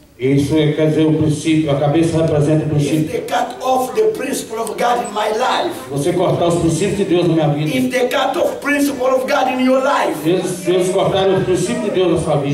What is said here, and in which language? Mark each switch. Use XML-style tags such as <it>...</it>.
<pt>Isso é, quer dizer, o princípio, a cabeça representa o princípio.</pt> <en>If they cut off the principle of God in my life.</en> <pt>Você cortar os princípios de Deus na minha vida.</pt> <en>If they cut off principle of God in your life.</en> <pt>Eles cortaram os princípios de Deus na sua vida.</pt>